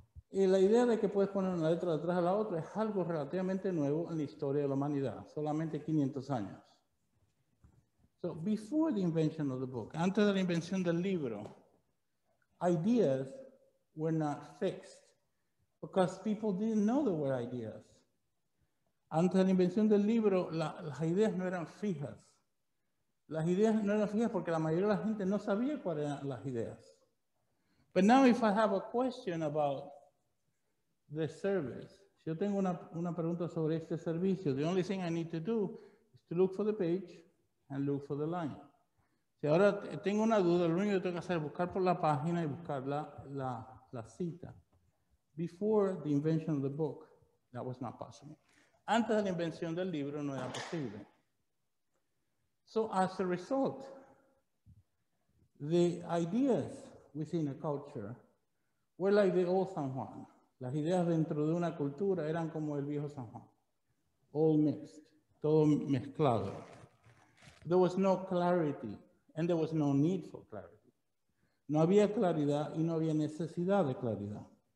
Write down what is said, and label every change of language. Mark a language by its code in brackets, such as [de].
[es] Y la idea de que puedes poner una letra detrás de la otra es algo relativamente nuevo en la historia de la humanidad, solamente 500 años. [en] So, before the invention of the book, [es] antes de la invención del libro, [en] ideas were not fixed because people didn't know there were ideas. [es] Antes de la invención del libro, las ideas no eran fijas. Las ideas no eran fijas porque la mayoría de la gente no sabía cuáles eran las ideas. [en] But now if I have a question about the service, [es] si yo tengo una pregunta sobre este servicio, [en] the only thing I need to do is to look for the page and look for the line. [es] Si ahora tengo una duda, lo único que tengo que hacer es buscar por la página y buscar la cita. [en] Before the invention of the book, that was not possible. [es] Antes de la invención del libro, no era posible. [en] So as a result, the ideas within a culture were like the old San Juan. [es] Las ideas dentro de una cultura eran como el viejo San Juan. [en] All mixed, [es] todo mezclado. [en] There was no clarity, and there was no need for clarity. [es] No había claridad y no había necesidad de claridad.